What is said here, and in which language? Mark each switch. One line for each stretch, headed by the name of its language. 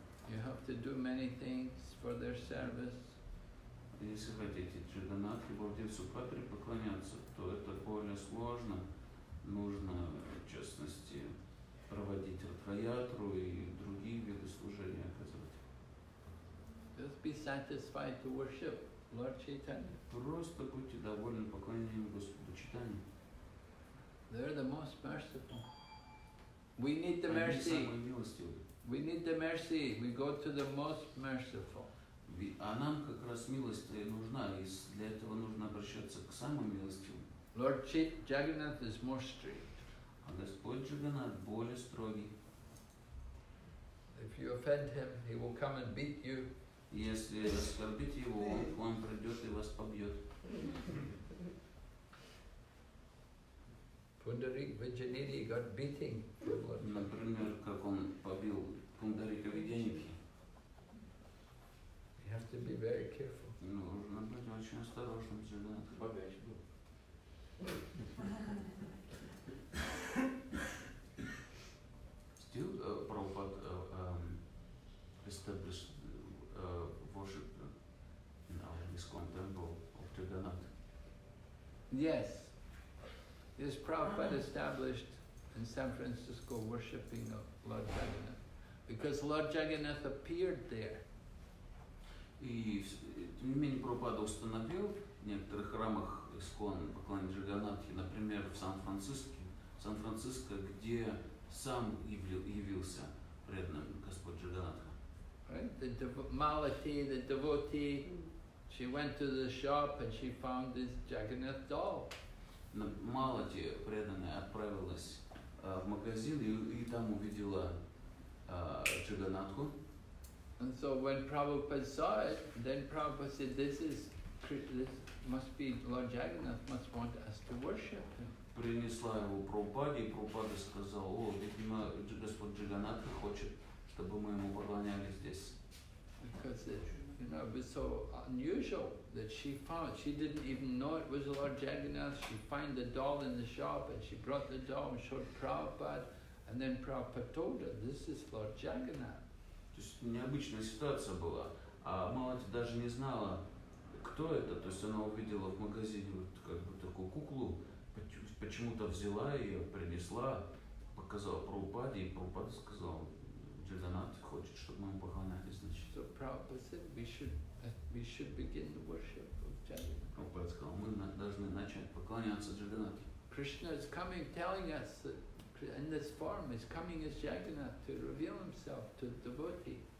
English: You have to do many things for their service.
Russian: Если хотите Джаганнатхи Баладев Субхадре поклоняться, то это более сложно. Нужно, в частности, проводить Ратхаятру и другие виды служения оказывать.
English: Just be satisfied to worship Lord Chaitanya.
Russian: Просто будьте довольны поклонением Господу Чайтанье.
English: They're the most merciful. We need the
Russian: Они
English: mercy. We need the mercy. We go to the most merciful.
Russian: А нам как раз милость-то и нужна, и для этого нужно обращаться к самым милостивым.
English: Lord Jagannath is more strict.
Russian: А Господь Джаганнат более строгий.
English: If you offend him, he will come and beat you.
Russian: Если оскорбите его, он к вам придет и вас побьет.
English: Пундарик Виджанити got beaten.
Russian: Например, как он побил Пундарика Виджанити.
English: You have to be very careful.
Russian: Нужно быть очень осторожным, чтобы не побить.
English: Still, Prabhupada established worship in our ISKCON temple of Jagannath. Yes. Yes, Prabhupada established in San Francisco worshipping of Lord Jagannath. Because Lord Jagannath appeared there.
Russian: И тем не менее Прабхупада установил в некоторых храмах ISKCON поклонение Джаганнатхи, например, в Сан-Франциско, где сам явился преданным Господь Джаганнатха.
English: Right? The Malati, the devotee, she went to the shop and she found this Jagannath doll.
Russian: Malati, преданная, отправилась в магазин и там увидела Джаганнатху.
English: And so when Prabhupada saw it, then Prabhupada said, this must be Lord Jagannath must want us to worship him.
Russian: Принесла его Прабхупаде, и Прабхупада сказал, о, видимо, Господь Джаганнат хочет, чтобы мы ему поклонялись здесь.
English: Because it, you know, it was so unusual that she found, she didn't even know it was Lord Jagannath. She found the doll in the shop and she brought the doll and showed Prabhupada, and then Prabhupada told her, this is Lord Jagannath.
Russian: То есть необычная ситуация была, а Малати даже не знала, кто это. То есть она увидела в магазине вот как бы такую куклу, почему-то взяла ее, принесла, показала Прабхупаде, и Прабхупада сказал, Джаганнат хочет, чтобы мы поклонялись, значит.
English: So Prabhupada said, we should begin the worship of Jagannath.
Russian: Прабхупада сказал, мы должны начать поклоняться Джаганнату.
English: Krishna is coming, telling us that in this form is coming as Jagannath to reveal himself to the devotee.